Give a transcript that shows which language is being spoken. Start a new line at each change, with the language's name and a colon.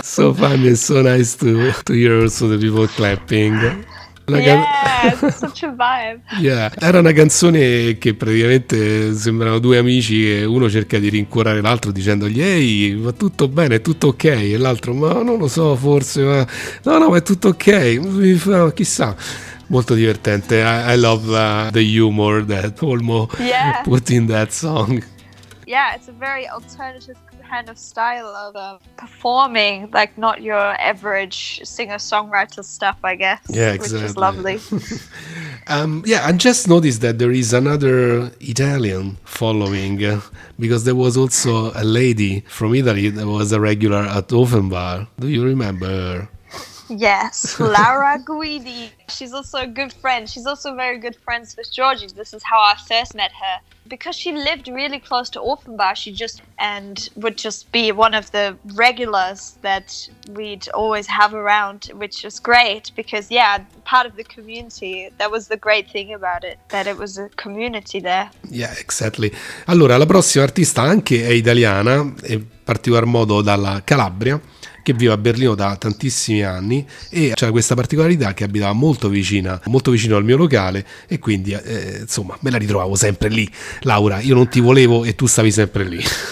English: So funny, so nice to hear also the people clapping. Yeah,
Italian: era una canzone che praticamente sembrano due amici che uno cerca di rincuorare l'altro dicendogli ehi, va tutto bene, è tutto ok, e l'altro ma non lo so, forse ma no, ma è tutto ok, chissà. Molto divertente.
English: I love the humor that Olmo put in that song. Yeah, it's a very alternative kind of style of performing, like not your average singer-songwriter stuff, I guess. Yeah, exactly. Which is lovely. yeah, I just noticed that there is another Italian following, because there was also a lady from Italy that was a regular at Offenbar. Do you remember her? Yes, Lara Guidi. She's also a good friend. She's also very good friends with Georgie. This is how I first met her. Because she lived really close to Offenbar, she just and would just be one of the regulars that we'd always have around, which was great because, yeah, part of the community. That was the great thing about it, that it was a community there. Yeah, exactly.
Italian: Allora, la prossima artista anche è italiana, in particolar modo dalla Calabria, che vive a Berlino da tantissimi anni e c'è questa particolarità che abitava molto vicino al mio locale e quindi insomma me la ritrovavo sempre lì. Laura, io non ti volevo e tu stavi sempre lì.